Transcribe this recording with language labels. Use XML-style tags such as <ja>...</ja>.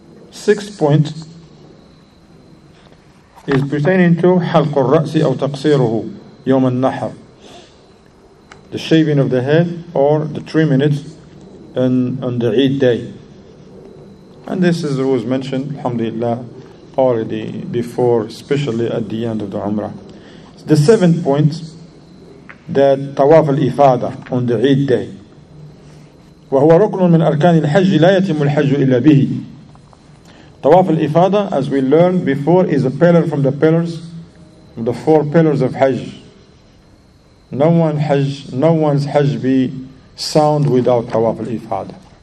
<en>Sixth point is pertaining to</en> <ar>حلق الرأس أو تقصيره يوم النحر,</ar> <en>the shaving of the head or the trimming it on the Eid day. And this is what was mentioned, alhamdulillah, already before, especially at the end of the Umrah. The seventh point, that tawaf al-ifada on the Eid day.</en> <ar>وهو ركن من أركان الحج لا يتم الحج إلا به.</ar> <en>Tawaf al-ifada, as we learned before, is a pillar from the pillars, the four pillars of Hajj. No one's Hajj be sound without tawaf al-ifada.</en>